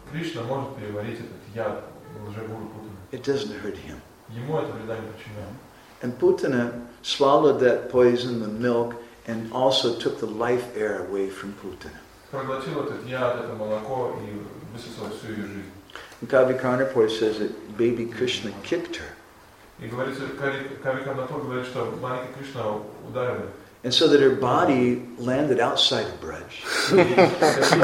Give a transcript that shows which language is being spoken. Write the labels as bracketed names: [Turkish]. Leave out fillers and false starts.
[Russian] Krishna может переварить этот яд лжегуру Путана. [English] It doesn't hurt him. [Russian] Ему это вреда не причиняет. [English] And Putana swallowed that poison, the milk, and also took the life air away from Putana. [Russian] Проглотил этот яд, это молоко, и высосал всю ее жизнь. [English] Кави Карнапур says that baby Krishna kicked her. [Russian] И говорится, Кави Карнапур говорит, что маленький Кришна ударил ее. [English] And so that her body landed outside of Braj.